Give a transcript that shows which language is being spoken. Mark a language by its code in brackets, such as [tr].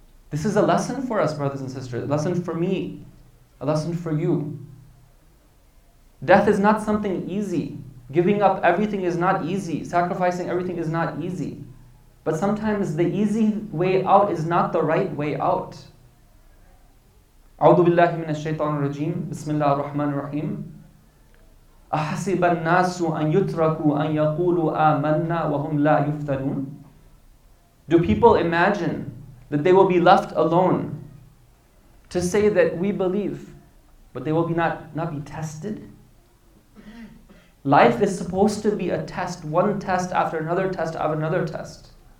[en] This is a lesson for us, brothers and sisters. A lesson for me. A lesson for you. Death is not something easy. Giving up everything is not easy. Sacrificing everything is not easy. But sometimes the easy way out is not the right way out. [ar] أعوذ بالله من الشيطان الرجيم بسم الله الرحمن الرحيم أحسب الناس أن يتركوا أن يقولوا آمنا وهم لا يفتنون. [en] Do people imagine that they will be left alone to say that we believe, but they will not be tested? Life is supposed to be a test, one test after another test after another test.